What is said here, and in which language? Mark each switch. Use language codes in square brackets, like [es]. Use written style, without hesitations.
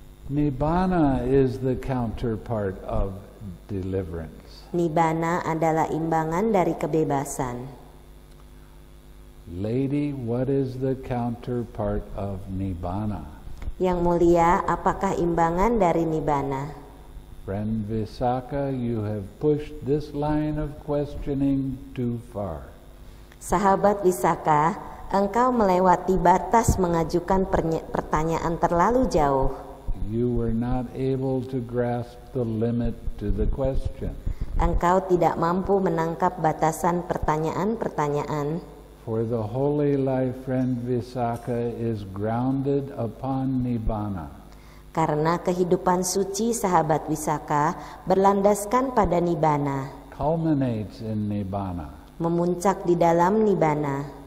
[en] Nibbana is the counterpart of deliverance. [ms] Nibbana adalah imbangan dari kebebasan. [en] Lady, what is the counterpart of Nibbana? [ms] Yang mulia, apakah imbangan dari Nibbana? [en] Friend Visakha, you have pushed this line of questioning too far. [ms] Sahabat Visakha, engkau melewati batas mengajukan pertanyaan terlalu jauh. [en] You were not able to grasp the limit to the question. [ms] Engkau tidak mampu menangkap batasan pertanyaan-pertanyaan. [en] For the holy life, friend Visakha, is grounded upon Nibbana. [ms] Karena kehidupan suci, sahabat Visakha, berlandaskan pada Nibbana. [en] Culminates in Nibbana. [ms] Memuncak di dalam Nibbana.